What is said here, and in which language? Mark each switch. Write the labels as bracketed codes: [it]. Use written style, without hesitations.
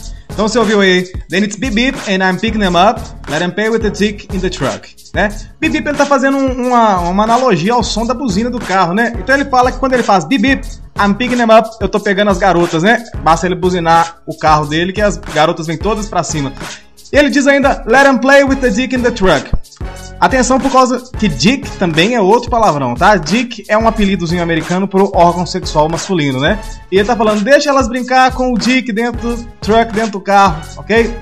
[pt] Então você ouviu aí, [en] then it's beep beep and I'm picking them up, let them pay with the tick in the truck, né? [pt] Beep beep, ele tá fazendo uma analogia ao som da buzina do carro, né? Então ele fala que quando ele faz beep beep, [en] I'm picking them up, [pt] eu tô pegando as garotas, né? Basta ele buzinar o carro dele que as garotas vêm todas pra cima. Ele diz ainda, [en] let them play with the dick in the truck. [pt] Atenção por causa que dick também é outro palavrão, tá? Dick é um apelidozinho americano pro órgão sexual masculino, né? E ele tá falando, deixa elas brincar com o dick dentro do truck, dentro do carro, ok?